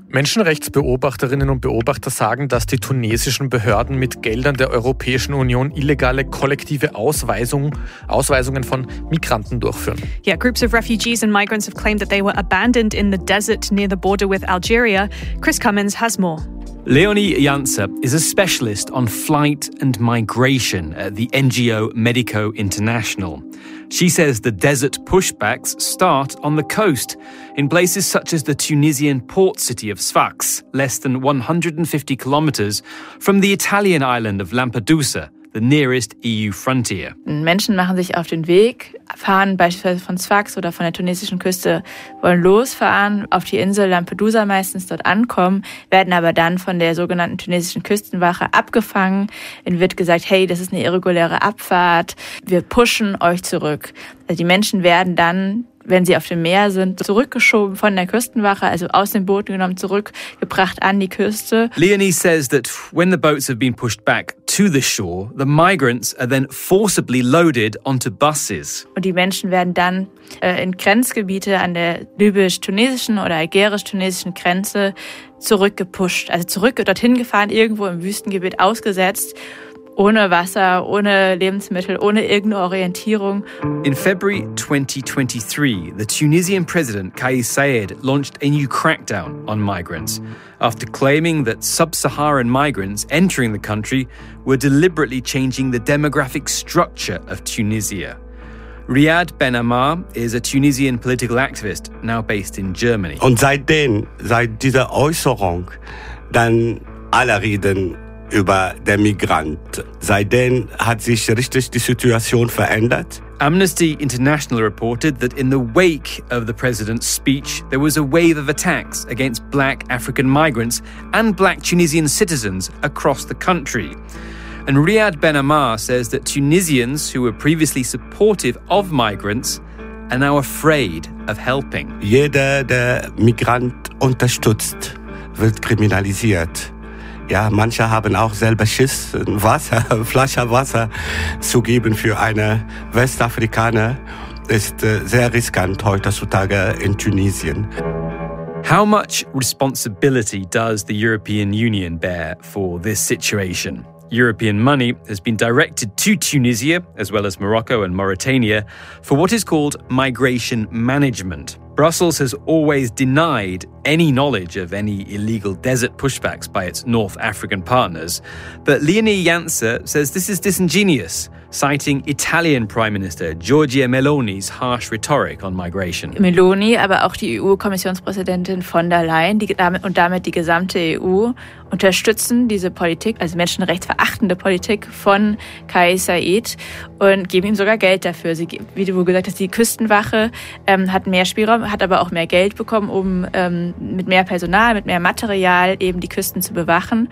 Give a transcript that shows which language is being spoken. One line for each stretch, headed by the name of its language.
German: Menschenrechtsbeobachterinnen und Beobachter sagen, dass die tunesischen Behörden mit Geldern der Europäischen Union illegale kollektive Ausweisungen von Migranten durchführen.
English: Yeah, groups of refugees and migrants have claimed that they were abandoned in the desert near the border with Algeria. Chris Cummins has more. Leonie Janser is a specialist on flight and migration at the NGO Medico International. She says the desert pushbacks start on the coast, in places such as the Tunisian port city of Sfax, less than 150 kilometers from the Italian island of Lampedusa, the nearest EU frontier.
German: Menschen machen sich auf den Weg, fahren beispielsweise von Sfax oder von der tunesischen Küste, wollen losfahren, auf die Insel Lampedusa meistens dort ankommen, werden aber dann von der sogenannten tunesischen Küstenwache abgefangen. Ihnen wird gesagt, hey, das ist eine irreguläre Abfahrt, wir pushen euch zurück. Also die Menschen werden dann, wenn sie auf dem Meer sind, zurückgeschoben von der Küstenwache, also aus den Booten genommen, zurückgebracht an die Küste.
English: Leonie says that when the boats have been pushed back to the shore, the migrants are then forcibly loaded onto buses.
German: Und die Menschen werden dann in Grenzgebiete an der libysch-tunesischen oder algerisch-tunesischen Grenze zurückgepusht, also zurück dorthin gefahren, irgendwo im Wüstengebiet ausgesetzt. Ohne Wasser, ohne Lebensmittel, ohne irgendeine Orientierung.
English: In February 2023, the Tunisian president Kais Saied launched a new crackdown on migrants after claiming that sub-Saharan migrants entering the country were deliberately changing the demographic structure of Tunisia. Riyad Ben Ammar is a Tunisian political activist now based in Germany.
German: Und seit dieser Äußerung, dann alle reden über der Migrant. Seitdem hat sich richtig die Situation verändert.
English: Amnesty International reported that in the wake of the president's speech, there was a wave of attacks against black African migrants and black Tunisian citizens across the country. And Riyad Ben Ammar says that Tunisians who were previously supportive of migrants are now afraid of helping.
German: Jeder, der Migrant unterstützt, wird kriminalisiert. Ja, manche haben auch selber Schiss, Wasser, Flasche Wasser zu geben für eine Westafrikaner. Ist sehr riskant heutzutage in Tunesien.
English: How much responsibility does the European Union bear for this situation? European money has been directed to Tunisia, as well as Morocco and Mauritania, for what is called migration management. Brussels has always denied any knowledge of any illegal desert pushbacks by its North African partners. But Leonie Janser says this is disingenuous, citing Italian Prime Minister Giorgia Meloni's harsh rhetoric on migration.
German: Meloni, aber auch die EU-Kommissionspräsidentin von der Leyen und damit die gesamte EU unterstützen diese Politik, also menschenrechtsverachtende Politik von Kais Saied und geben ihm sogar Geld dafür. Sie, wie du gesagt hast, die Küstenwache hat mehr Spielraum, hat aber auch mehr Geld bekommen, um mit mehr Personal, mit mehr Material eben die Küsten zu bewachen.